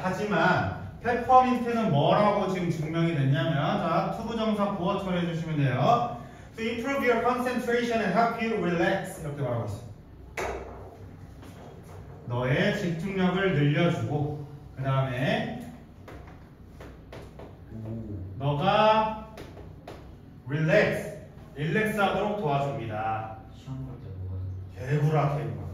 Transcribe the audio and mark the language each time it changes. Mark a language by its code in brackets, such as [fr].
[ko] 하지만 페퍼민트는 뭐라고 지금 증명이 됐냐면, 자, 투부정사 보어처리해 주시면 돼요. [en] to improve your concentration and help you relax. [ko] 이렇게 말하고 있어요. 너의 집중력을 늘려주고, 그 다음에 너가 relax, 릴렉스하도록 도와줍니다. 시험 볼 때 뭐가? 개구라 개구라.